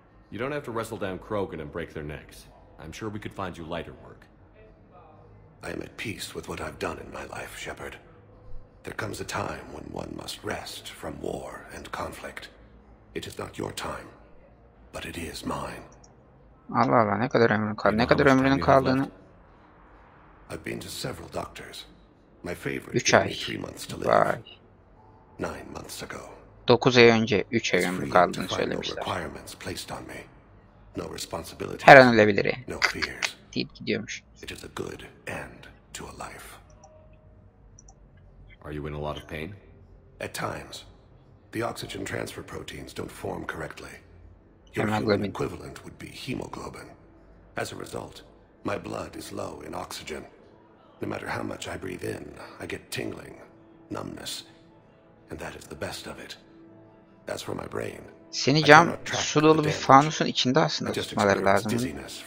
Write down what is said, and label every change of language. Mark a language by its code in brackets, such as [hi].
[en] You don't have to wrestle down Krogan and break their necks. I'm sure we could find you lighter work. I am at peace with what I've done in my life, Shepard. There comes a time when one must rest from war and conflict. It is not your time, but it is mine. [tr] Allah Allah, ne kadar ömrün kaldı, ne kadar ömrünün kaldığını. [en] I've been to several doctors. My favorite gave me 3 months to live. 9 months ago. [tr] 9 ay önce 3 ay ömrün kaldığını söylemişler. [en] No requirements placed on me. No responsibilities. [tr] Her an ölebilir. [en] No fears. [tr] Deyip gidiyormuş. [en] It is a good end to a life. Are you in a lot of pain? At times. The oxygen transfer proteins don't form correctly. hemoglobin. Human equivalent would be hemoglobin. As a result, my blood is low in oxygen. No matter how much I breathe in, I get tingling, numbness, and that is the best of it. As for my brain, [tr] seni cam su dolu bir fanusun içinde aslında tutmaları lazım.